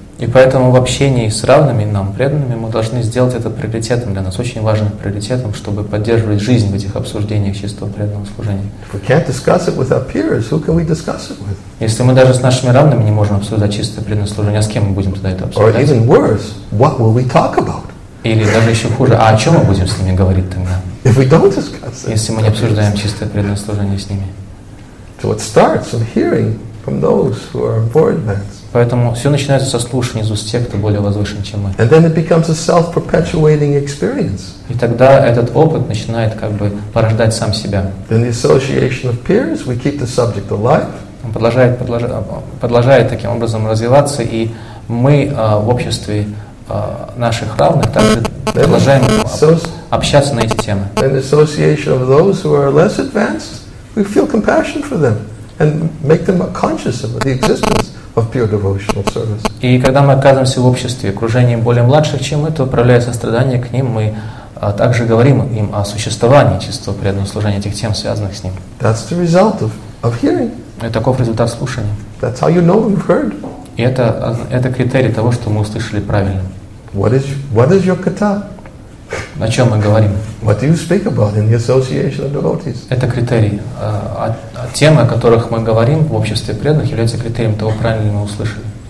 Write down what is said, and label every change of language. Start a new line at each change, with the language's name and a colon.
Russian: И поэтому в общении с равными нам преданными мы должны сделать это приоритетом для нас, очень важным приоритетом, чтобы поддерживать жизнь в этих обсуждениях чистого преданного служения.
English: If we can't discuss it with our peers, who can we discuss it with?
Russian: Если мы даже с нашими равными не можем обсуждать чистое преданное служение, а с кем мы будем тогда это обсуждать?
English: Or even worse, what will we talk about?
Russian: Или даже еще хуже, а о чем мы будем с ними говорить тогда?
English: If we don't discuss it,
Russian: если мы не обсуждаем чистое преданное служение с ними.
English: So it starts from hearing from those who are more advanced.
Russian: Поэтому все начинается со слушания из уст тех, кто более возвышен, чем мы.
English: And then it becomes a self-perpetuating experience.
Russian: И тогда этот опыт начинает как бы порождать сам себя.
English: In the association of peers, we keep the subject alive.
Russian: Он продолжает таким образом развиваться, и мы в обществе наших равных также продолжаем общаться на эти темы.
English: In the association of those who are less advanced, we feel compassion for them and make them conscious of the existence of pure devotional service.
Russian: И когда мы оказываемся в обществе, окружении более младших, чем мы, то проявляя сострадание к ним, мы также говорим им о существовании чистого преданного служения, этих тем, связанных с ним.
English: That's the result of hearing.
Russian: И таков результат слушания.
English: That's how you know you've heard.
Russian: И это критерий того, что мы услышали правильно.
English: What is your kata?
Russian: О чем мы говорим?
English: What do you speak about in the association of devotees?
Russian: Это критерий. Темы, о которых мы говорим в обществе преданных, являются критерием того, правильно ли мы услышали.